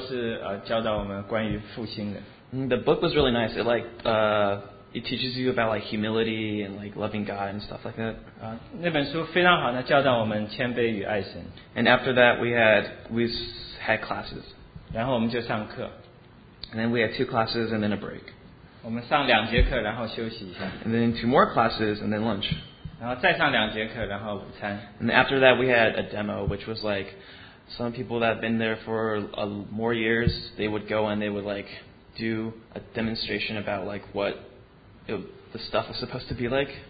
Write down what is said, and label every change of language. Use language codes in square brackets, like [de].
[zh] 这里面有许多是教导我们关于复兴的。 [en] The book was really nice. It teaches you about like humility and like loving God and stuff like that. [zh] 那本书非常好，它教导我们谦卑与爱神。 [en] And after that, we had classes. [zh] 然后我们就上课。 [en] And then we had 2 classes and then a break. [zh] 我们上两节课，然后休息一下。 [en] And then 2 more classes and then lunch. [zh] 然后再上两节课，然后午餐。 [en] And after that, we had a demo, which was like. Some people that have been there for more years, they would go and they would like do a demonstration about like what the stuff is supposed to be like.